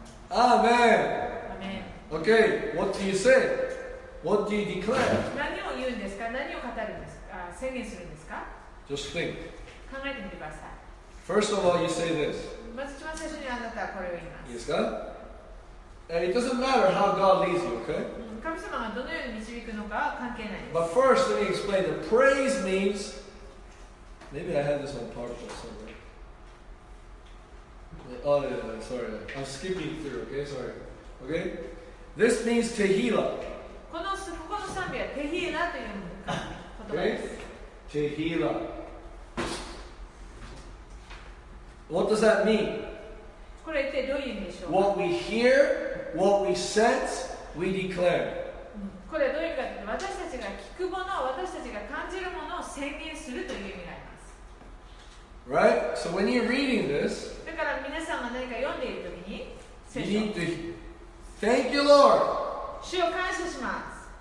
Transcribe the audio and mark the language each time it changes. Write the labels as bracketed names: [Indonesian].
[English] アーメン。Okay, what do you say? What do you declare? [Japanese] 何を言うんですか？何を語るんですか？宣言するんですか？ [English] Just think. [Japanese] 考えてみてください。 [English] First of all, you say this. [Japanese] まず一番最初にあなたはこれを言います。いいですか？ [English] And it doesn't matter how God leads you, okay? [Japanese] 神様がどのように導くのかは関係ないです。 [English] But first, let me explain that praise means... Maybe I have this on partial somewhere. Oh, yeah, sorry. I'm skipping through, okay? Sorry. Okay? This means Tehillah. [Japanese] この賛美は Tehillah という言葉です。Okay? [English] Tehillah. What does that mean? [Japanese] これってどういう意味でしょうか? [English] What we hear, what we sense, we declare. [Japanese] これどういう意味かというと、私たちが聞くもの、私たちが感じるものを宣言するという意味があります。 [English] Right? So when you're reading this, [Japanese] だから皆さんが何か読んでいるときに、 [English] 聖書。 You need to hearThank you, Lord. [Japanese] 主を感謝します。